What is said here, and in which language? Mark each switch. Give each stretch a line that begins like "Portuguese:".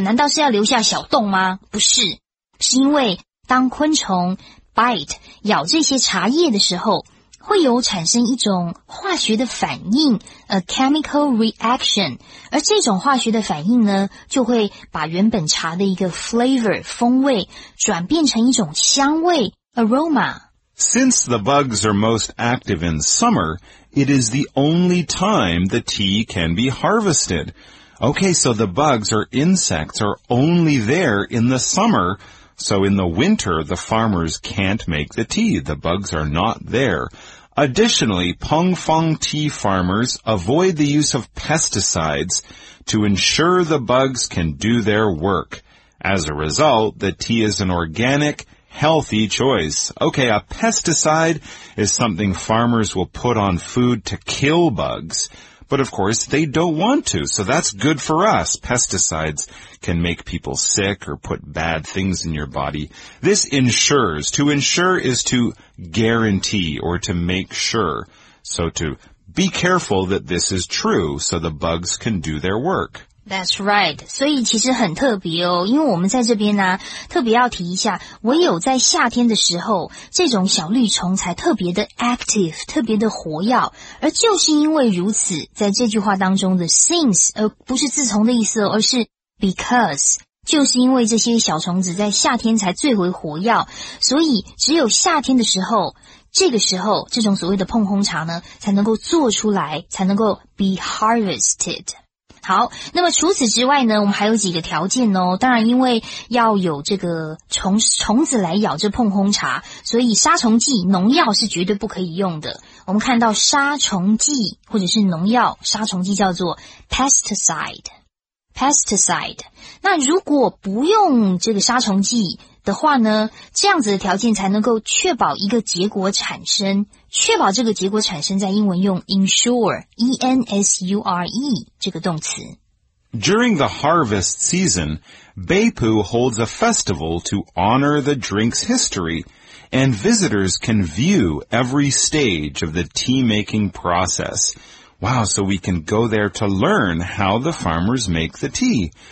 Chinese: 难道是要留下小洞吗？不是，是因为当昆虫 bite 咬这些茶叶的时候，会有产生一种化学的反应 ，
English: a chemical reaction，
Chinese: 而这种化学的反应呢，就会把原本茶的一个 flavor 风味转变成一种香味 aroma。
English: Since the bugs are most active in summer, it is the only time the tea can be harvested. Okay, so the bugs or insects are only there in the summer, so in the winter the farmers can't make the tea. The bugs are not there. Additionally, Pong Fong tea farmers avoid the use of pesticides to ensure the bugs can do their work. As a result, the tea is an organic,Healthy choice. Okay, a pesticide is something farmers will put on food to kill bugs. But of course, they don't want to, so that's good for us. Pesticides can make people sick or put bad things in your body. This ensures. To ensure is to guarantee or to make sure. So to be careful that this is true so the bugs can do their work. That's right.
Chinese: 所以其实很特别哦，因为我们在这边呢、啊，特别要提一下，唯有在夏天的时候，这种小绿虫才特别的 active， 特别的活跃。而就是因为如此，在这句话当中的 since， 而不是自从的意思，而是 because。就是因为这些小虫子在夏天才最为活跃，所以只有夏天的时候，这个时候这种所谓的碰烘茶呢才能够做出来，才能够
English: be harvested。
Chinese: 好，那么除此之外呢，我们还有几个条件哦。当然，因为要有这个虫子来咬这碰烘茶，所以杀虫剂、农药是绝对不可以用的。我们看到杀虫剂或者是农药，杀虫剂叫做 pesticide。 Pesticide， 那如果不用这个杀虫剂的话呢，这样子的条件才能够确保一个结果产生，确保这个结果产生在英文用 ensure， E-N-S-U-R-E 这个动词。
English: During the harvest season, Beipu holds a festival to honor the drink's history, and visitors can view every stage of the tea-making process. Wow, so we can go there to learn how the farmers make the tea.